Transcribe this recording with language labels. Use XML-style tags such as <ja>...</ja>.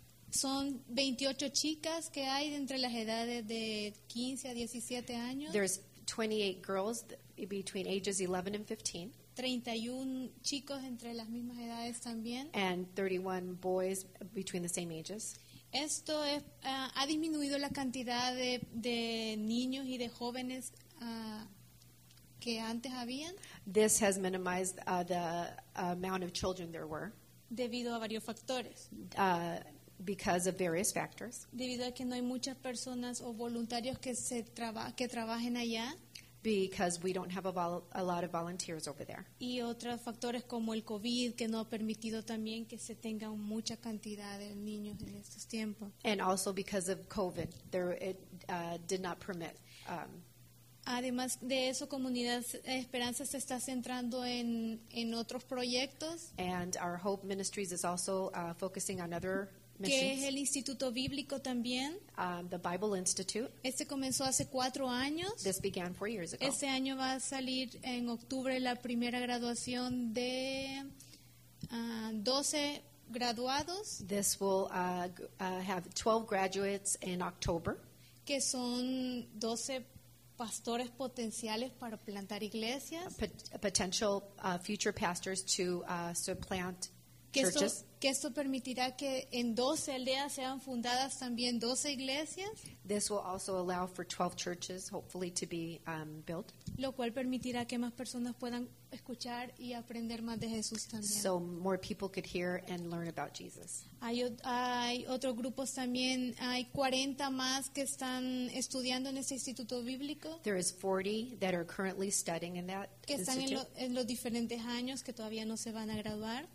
<es>Son 28 chicas que hay entre las edades de 15 a 17 años.</es> <en>There's 28 girls between ages 11 and 15.</en> <es>31 chicos entre las mismas edades también.</es> <en>And 31 boys between the same ages.</en> <es>Esto es, ha disminuido la cantidad de niños y de jóvenes que antes habían.</es> <en>This has minimized the amount of children there were.</en> <es>Debido a varios factores.</es> <en>Because of various factors.</en> <es>Debido a que no hay muchas personas o voluntarios que trabajen allá.</es> <en>Because we don't have a lot of volunteers over there.</en> <es>Y otros factores como el COVID que no ha permitido también que se tenga mucha cantidad de niños en estos tiempos.</es> <en>And also because of COVID, did not permit.</en> <es>Además de eso, Comunidad Esperanza se está centrando en otros proyectos.</es> <en>And our Hope Ministries is also focusing on other missions.</en> <es>Que es el Instituto Bíblico también.</es> <en>The Bible Institute.</en> <es>Este comenzó hace 4 años.</es> <en>This began 4 years ago.</en> <es>Este año va a salir en octubre la primera graduación de 12 graduados.</es> <en>This will have 12 graduates in October.</en> <es>Que son 12 pastores potenciales para plantar iglesias.</es> <en>Potential future pastors to supplant churches.</en> <es>Que esto permitirá que en 12 aldeas sean fundadas también 12 iglesias.</es> <en>This will also allow for 12 churches, hopefully, to be built.</en> <es>Lo cual permitirá que más personas puedan escuchar y aprender más de Jesús también.</es> <en>So more people could hear and learn about Jesus.</en> <es>Hay otros grupos también. Hay 40 más que están estudiando en este instituto bíblico.</es> <en>There is 40 that are currently studying in that institute.</en> <es>Que están en los diferentes años que todavía no se van a graduar.</es>